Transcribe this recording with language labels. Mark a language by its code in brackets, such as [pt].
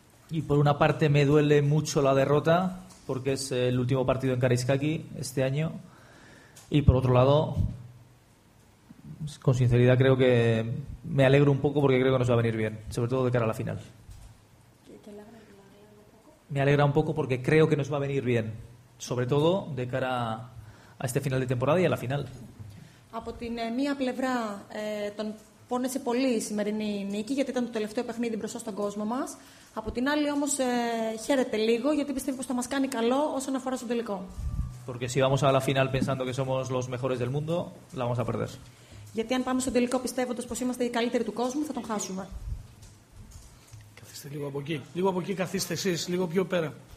[es] Y por una parte me duele mucho la derrota porque es el último partido en Karaiskaki este año y por otro lado con sinceridad creo que me alegro un poco porque creo que nos va a venir bien sobre todo de cara a la final. Me alegra un poco porque creo que nos va a venir bien sobre todo de cara a este final de temporada y a la final. [el] Από την μία πλευρά τον πόνεσε πολύ η σημερινή νίκη γιατί ήταν το τελευταίο παιχνίδι μπροστά στον κόσμο μας. Από την άλλη όμως χαίρεται λίγο γιατί πιστεύει πως θα μας κάνει καλό όσον αφορά στο τελικό. [es] Porque si vamos a la final pensando que somos los mejores del mundo, la vamos a perder. [el] Γιατί αν πάμε στο τελικό πιστεύοντας πως είμαστε οι καλύτεροι του κόσμου θα τον χάσουμε. Καθίστε λίγο από εκεί. Λίγο από εκεί καθίστε εσείς, λίγο πιο πέρα.